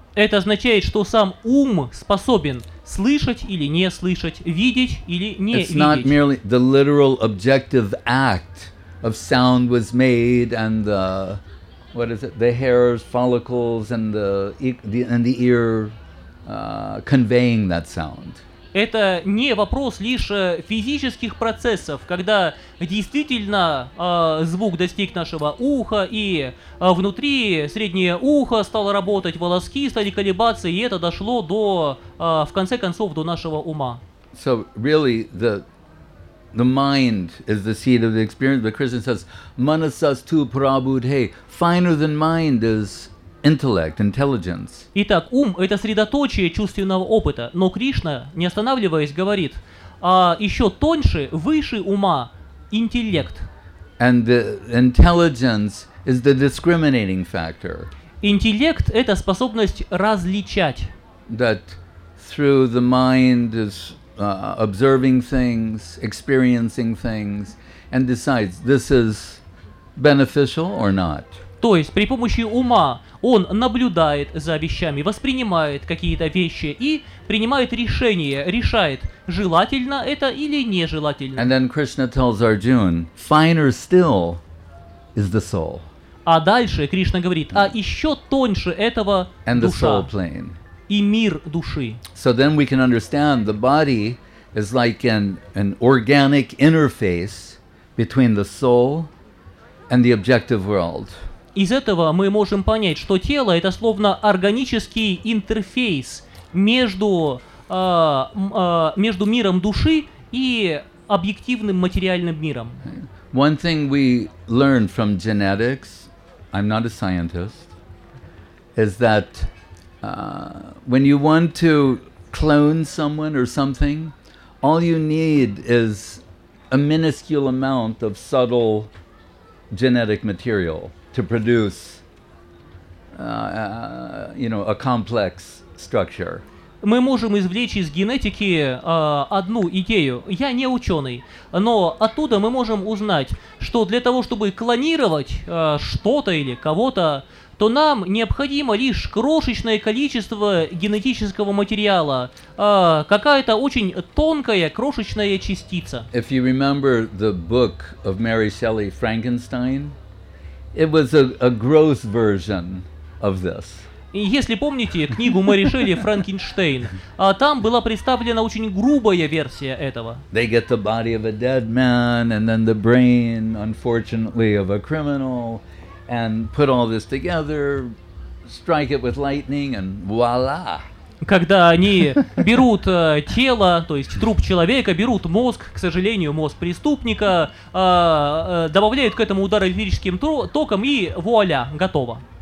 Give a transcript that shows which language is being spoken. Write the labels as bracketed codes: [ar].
[ru] Это означает, что сам ум способен слышать или не слышать, видеть или не видеть. [en] It's not merely the literal objective act of sound was made and the what is it? The hairs, follicles and the ear conveying that sound. [ru] Это не вопрос лишь физических процессов, когда действительно звук достиг нашего уха, и внутри среднее ухо стало работать, волоски стали колебаться, и это дошло до, в конце концов, до нашего ума. [en] So really, the mind is the seat of the experience, but Krishna says, [sa] manasastu prabhudhe, [en] finer than mind is intellect, intelligence. [ru] Итак, ум – это средоточие чувственного опыта, но Кришна, не останавливаясь, говорит, а еще тоньше, выше ума – интеллект. [en] And the intelligence is the discriminating factor. [ru] Интеллект – это способность различать. [en] That through the mind is observing things, experiencing things, and decides this is beneficial or not. [ru] То есть при помощи ума он наблюдает за вещами, воспринимает какие-то вещи и принимает решение, решает, желательно это или нежелательно. [en] And then Krishna tells Arjuna, finer still is the soul. [ru] А дальше Кришна говорит, а еще тоньше этого [en] and [ru] душа [en] the soul plane. [ru] И мир души. [en] So then we can understand the body is like an organic interface between the soul and the objective world. [ru] из этого мы можем понять, что тело — это словно органический интерфейс между, между миром души и объективным материальным миром. [en] One thing we learned from genetics, I'm not a scientist, is that when you want to clone someone or something, all you need is a minuscule amount of subtle genetic material to produce, you know, a complex structure. [ru] Мы можем извлечь из генетики одну идею. Я не ученый, но оттуда мы можем узнать, что для того, чтобы клонировать что-то или кого-то, то нам необходимо лишь крошечное количество генетического материала, какая-то очень тонкая крошечная частица. [en] If you remember the book of Mary Shelley, Frankenstein, it was a gross version of this. [ru] Если помните книгу Мэри Шелли «Франкенштейн», там была представлена очень грубая версия этого. [en] They get the body of a dead man, and then the brain, unfortunately, of a criminal, and put all this together, strike it with lightning, and voila! [ru] Когда они берут тело, то есть труп человека, берут мозг, к сожалению, мозг преступника, добавляют к этому удар электрическим током, и вуаля, готово.